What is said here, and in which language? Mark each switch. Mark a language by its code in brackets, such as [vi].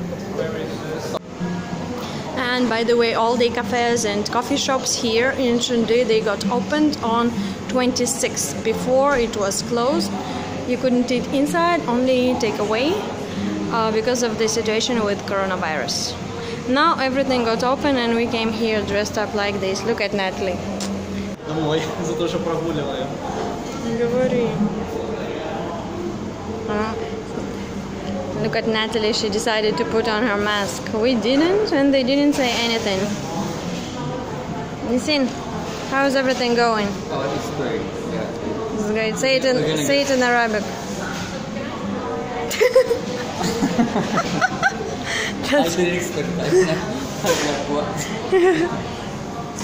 [en] And by the way, all the cafes and coffee shops here in Chengdu, they got opened on 26th. Before it was closed, you couldn't eat inside, only take away because of the situation with coronavirus. Now everything got open and we came here dressed up like this. Look at Natalie. [ru] Домой за то, что прогуливаю. Говори. [en] Look at Natalie, she decided to put on her mask. We didn't and they didn't say anything. Nisin, How's everything going? Oh, it's great. Yeah. It's great. Say it in Arabic. I didn't expect that.